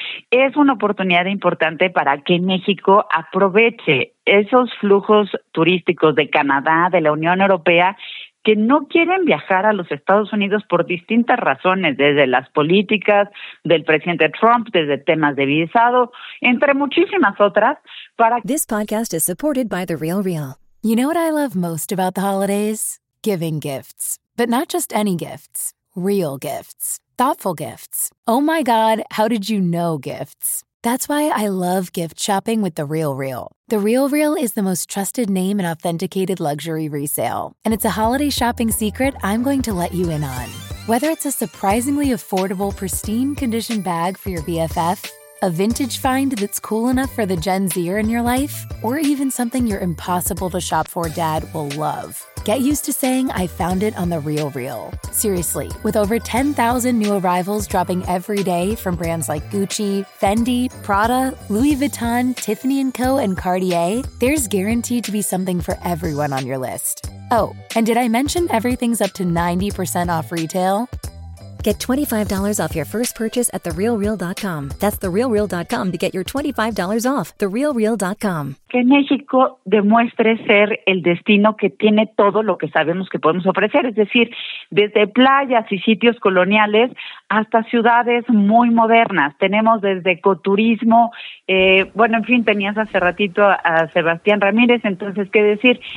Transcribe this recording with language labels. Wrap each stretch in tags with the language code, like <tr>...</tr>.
<es>Es una oportunidad importante para que México aproveche esos flujos turísticos de Canadá, de la Unión Europea, que no quieren viajar a los Estados Unidos por distintas razones, desde las políticas del presidente Trump, desde temas de visado, entre muchísimas otras, para...</es> <en>This podcast is supported by The RealReal. You know what I love most about the holidays? Giving gifts. But not just any gifts. Real gifts. Thoughtful gifts. Oh my God, how did you know gifts? That's why I love gift shopping with The RealReal. The RealReal is the most trusted name in authenticated luxury resale. And it's a holiday shopping secret I'm going to let you in on. Whether it's a surprisingly affordable, pristine condition bag for your BFF, a vintage find that's cool enough for the Gen Zer in your life, or even something your impossible to shop for dad will love. Get used to saying, "I found it on The RealReal." Seriously, with over 10,000 new arrivals dropping every day from brands like Gucci, Fendi, Prada, Louis Vuitton, Tiffany & Co., and Cartier, there's guaranteed to be something for everyone on your list. Oh, and did I mention everything's up to 90% off retail? Get $25 off your first purchase at TheRealReal.com. That's TheRealReal.com to get your $25 off. TheRealReal.com.</en> <es>Que México demuestre ser el destino que tiene todo lo que sabemos que podemos ofrecer, es decir, desde playas y sitios coloniales hasta ciudades muy modernas. Tenemos desde ecoturismo, bueno, en fin, tenías hace ratito a Sebastián Ramírez, entonces, ¿qué decir?</es>